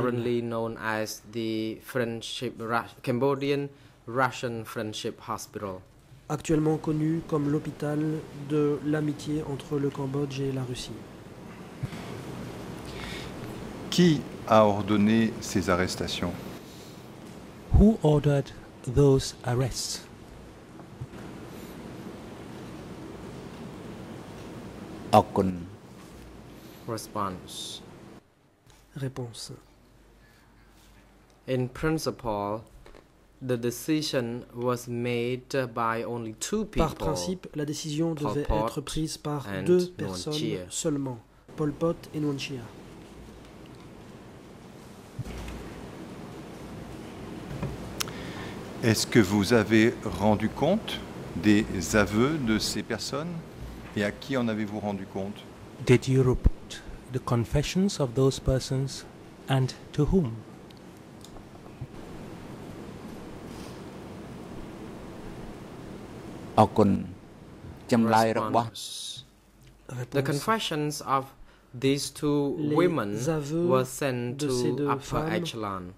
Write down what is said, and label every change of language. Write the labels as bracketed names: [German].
[English] Currently known as the Friendship Cambodian Russian Friendship Hospital. [French] Actuellement connu comme l'hôpital de l'amitié entre le Cambodge et la Russie. Qui a ordonné ces arrestations? [English] Who ordered those arrests? [French] Aucun. [English] Response. [French] Réponse. [English] In principle, the decision was made by only two people. [French] Par principe, la décision devait être prise par deux personnes seulement, Pol Pot et Nunchia. Est-ce que vous avez rendu compte des aveux de ces personnes et à qui en avez-vous rendu compte? [English] Did you report the confessions of those persons and to whom? Response. [French] Réponse. [English] The confessions of these two women were sent to upper echelon.